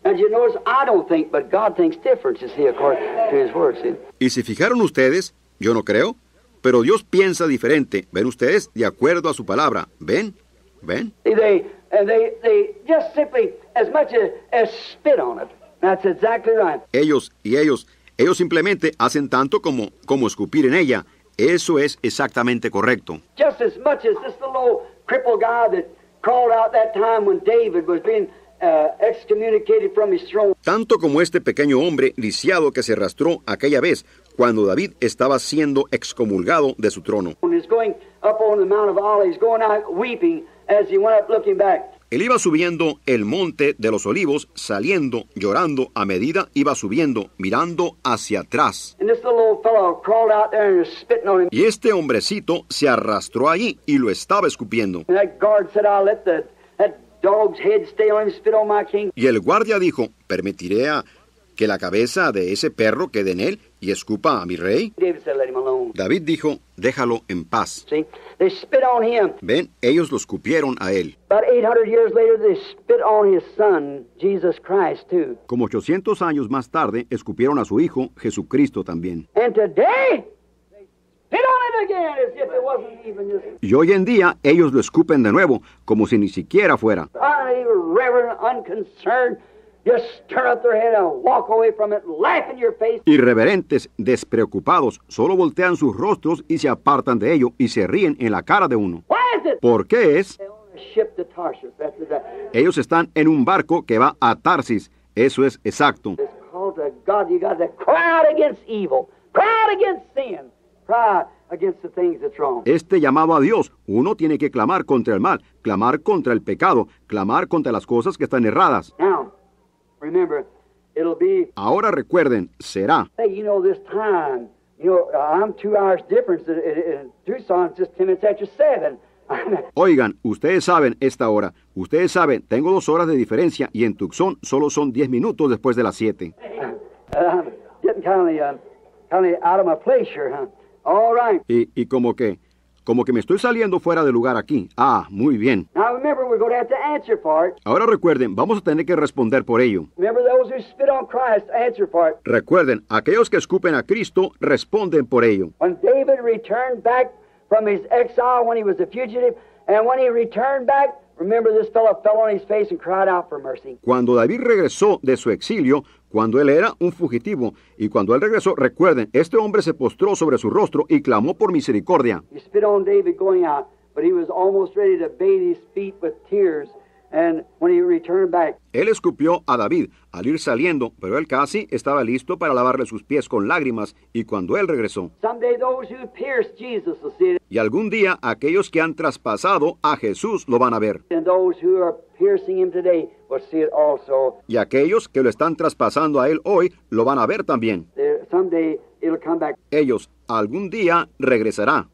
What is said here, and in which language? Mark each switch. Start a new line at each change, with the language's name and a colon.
English: As you notice, I don't think, but God thinks different, you see, according to his word. See?
Spanish: Y si fijaron ustedes, yo no creo, pero Dios piensa diferente. ¿Ven ustedes? De acuerdo a su palabra. ¿Ven? ¿Ven?
English: They just simply, as much as spit on it. That's exactly right.
Spanish: Ellos simplemente hacen tanto como escupir en ella. Eso es exactamente correcto.
English: Just as much as this little old crippled guy that crawled out that time when David was being excommunicated from his throne.
Spanish: Tanto como este pequeño hombre lisiado que se arrastró aquella vez cuando David estaba siendo excomulgado de su trono.
English: When he's going up on the Mount of Olives, going out weeping as he went up looking back.
Spanish: Él iba subiendo el monte de los olivos, saliendo, llorando, a medida iba subiendo, mirando hacia atrás.
English: And this little fellow crawled out there and was spitting on him.
Spanish: Y este hombrecito se arrastró allí y lo estaba escupiendo.
English: And that guard said, I'll let that dog's head stay on him, spit on my king.
Spanish: Y el guardia dijo, permitiré a, que la cabeza de ese perro quede en él y escupa a mi rey?
English: David, said, let him alone.
Spanish: David dijo, déjalo en paz.
English: See, they spit on him.
Spanish: Ven, ellos lo escupieron a él.
English: About 800 years later, they spit on his son, Jesus Christ, too.
Spanish: Como 800 años más tarde, escupieron a su hijo, Jesucristo, también.
English: And today, spit on it again, as if it wasn't even just...
Spanish: Y hoy en día, ellos lo escupen de nuevo, como si ni siquiera fuera.
English: Irreverent, unconcerned. Just turn up their head and walk away from it, laugh in your face.
Spanish: Irreverentes, despreocupados, solo voltean sus rostros y se apartan de ello y se ríen en la cara de uno.
English: Why is it?
Spanish: ¿Por qué es?
English: They own a ship to Tarshish. That's it.
Spanish: Ellos están en un barco que va a Tarsis. Eso es exacto.
English: It's called a God. You got to cry out against evil. Cry out against sin. Cry against the things that's wrong.
Spanish: Este llamado a Dios, uno tiene que clamar contra el mal, clamar contra el pecado, clamar contra las cosas que están erradas.
English: Now, remember, it'll be.
Spanish: Ahora recuerden, será.
English: Hey, you know this time. You know, I'm 2 hours difference in Tucson. It's just 10 minutes after 7.
Spanish: Oigan, ustedes saben esta hora. Ustedes saben, tengo 2 horas de diferencia y en Tucson solo son 10 minutos después de las 7.
English: Getting kind of out of my place here, huh? All right.
Spanish: Y como que. Como que me estoy saliendo fuera de lugar aquí. Ah, muy bien.
English: Now remember, we're going to have to answer for it.
Spanish: Ahora recuerden, vamos a tener que responder por ello.
English: Remember those who spit on Christ, answer for it.
Spanish: Recuerden, aquellos que escupen a Cristo, responden por ello.
English: When David returned back from his exile, when he was a fugitive, and when he returned back, remember this fellow fell on his face and cried out for mercy.
Spanish: Cuando David regresó de su exilio, cuando él era un fugitivo, y cuando él regresó, recuerden, este hombre se postró sobre su rostro y clamó por misericordia.
English: He spit on David going out, but he was almost ready to bathe his feet with tears, and when he returned back.
Spanish: Él escupió a David al ir saliendo, pero él casi estaba listo para lavarle sus pies con lágrimas, y cuando él regresó.
English: Someday those who pierced Jesus will see it.
Spanish: Y algún día, aquellos que han traspasado a Jesús lo van a ver.
English: And those who are piercing him today will see it also.
Spanish: Y aquellos que lo están traspasando a él hoy lo van a ver también.
English: Someday it'll come back.
Spanish: Ellos algún día regresará.